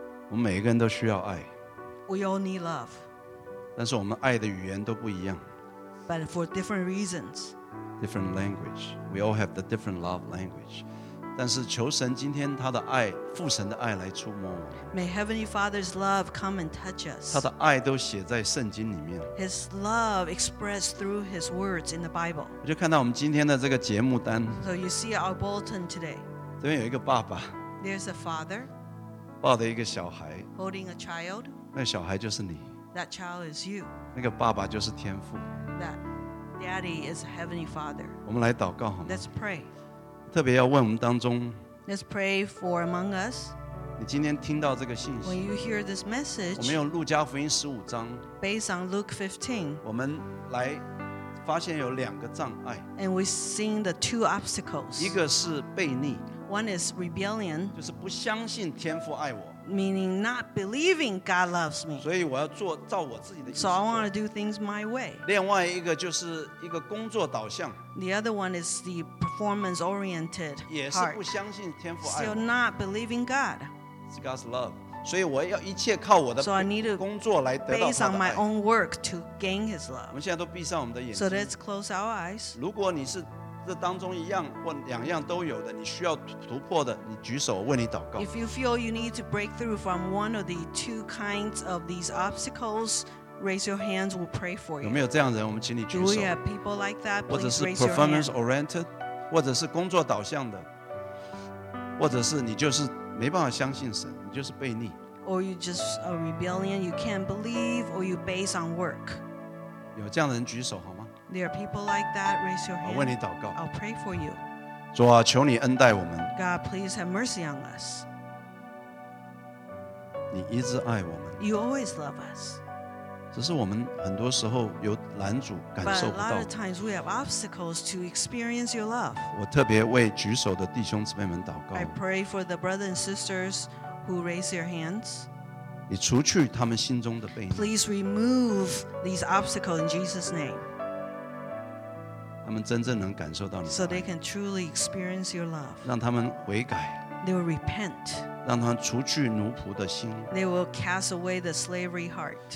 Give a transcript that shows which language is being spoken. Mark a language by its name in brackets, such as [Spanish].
[Chinese] 我们每一个人都需要爱。 [English] We all need love. [Chinese] 但是我们爱的语言都不一样。 [English] But for different reasons. Different language. We all have the different love language. [Chinese] 但是求神今天他的爱父神的爱来触摸我 [English] May Heavenly Father's love come and touch us [Chinese] 他的爱都写在圣经里面 [English] His love expressed through his words in the Bible [Chinese] 我就看到我们今天的这个节目单 [English] So you see our bulletin today [Chinese] 这边有一个爸爸 [English] There's a father [Chinese] 抱着一个小孩 [English] Holding a child [Chinese] 那小孩就是你 [English] That child is you [Chinese] 那个爸爸就是天父 [English] That daddy is a heavenly father [Chinese] 我们来祷告好吗 [English] Let's pray [Chinese] 特别要问我们当中 [English] Let's pray for among us [Chinese] 你今天听到这个信息 [English] When you hear this message [Chinese] 我们用路加福音十五章 [English] Based on Luke 15 [Chinese] 我们来发现有两个障碍 [English] And we've seen the two obstacles [Chinese] 一个是悖逆 [English] One is rebellion [Chinese] 就是不相信天父爱我 [English] Meaning not believing God loves me [Chinese] 所以我要做照我自己的意思 [English] So I want to do things my way [Chinese] 另外一个就是一个工作导向 [English] The other one is the performance oriented heart still not believing God it's God's love [Chinese] 所以我要一切靠我的工作来得到他的爱 [English] based on my own work to gain his love [Chinese] 我们现在都闭上我们的眼睛 [English] so let's close our eyes [Chinese] 如果你是这当中一样或两样都有的你需要突破的你举手我为你祷告 [English] if you feel you need to break through from one of the two kinds of these obstacles raise your hands we'll pray for you [Chinese] 有没有这样的人我们请你举手 [English] do we have people like that please raise your hand [Chinese] 或者是 performance oriented或者是工作导向的或者是你就是没办法相信神你就是悖逆 [English] or you just a rebellion you can't believe or you base on work [Chinese] 有这样的人举手好吗 [English] there are people like that raise your hand [Chinese] 我为你祷告 [English] I'll pray for you [Chinese] 主啊求你恩待我们 [English] God please have mercy on us [Chinese] 你一直爱我们 [English] you always love us [Chinese] 只是我们很多时候有拦阻感受不到 [English] but a lot of times we have obstacles to experience your love [Chinese] 我特别为举手的弟兄姊妹们祷告 [English] I pray for the brothers and sisters who raise their hands [Chinese] 你除去他们心中的悖逆 [English] please remove these obstacles in Jesus' name [Chinese] 他们真正能感受到你的爱 [English] so they can truly experience your love [Chinese] 让他们悔改 [English] they will repent [Chinese] 让他除去奴仆的心 [English] They will cast away the slavery heart